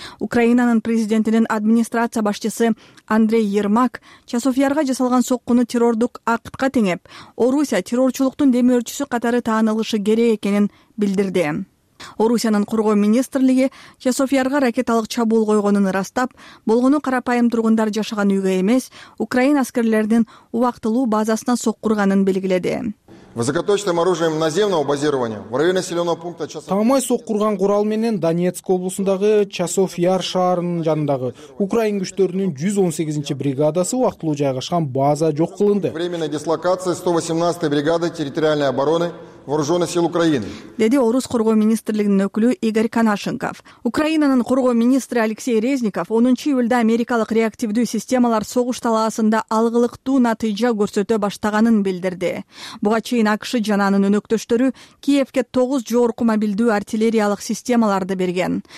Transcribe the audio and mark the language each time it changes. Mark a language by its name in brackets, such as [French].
[Kyrgyz] Украинанын президентинин администрация башчысы Андрей Ермак Часов-Ярга жасалган соккуну террордук актка теңеп, Орусия террорчулуктун демөөрчүсү катары таанылышы керек экенин билдирди. Орусиянын коргоо министрлиги Часов-Ярга ракеталык чабуул койгонун ырастап, болгону карапайым тургундар жашаган үйгө эмес, Украин аскерлеринин убактылуу базасына соккурганын белгиледи. [Russian] Высокоточным оружием наземного базирования в районе населенного пункта Часов. [Kyrgyz] Тамай соккурган курал менен Донецк облусундагы Часов-Яр шаарынын жанындагы украин күчтөрүнүн 118 бригадасы убактылуу жайгашкан база жок кылынды. [Russian] Временная дислокация 118 бригады территориальной обороны вооруженных сил Украины. [Kyrgyz] Деди орус коргоо министрлигинин өкүлү Игорь Канашенков. Украинанын коргоо министри Алексей Резников 10 июлда америкалык реактивдүү системалар согуш талаасында алгылыктуу натыйжа көрсөтө баштаганын билдирди. Буга чейин АКШ жана анын өнөктөштөрү Киевке 9 жогорку мобилдүү артиллериялык системаларды берген.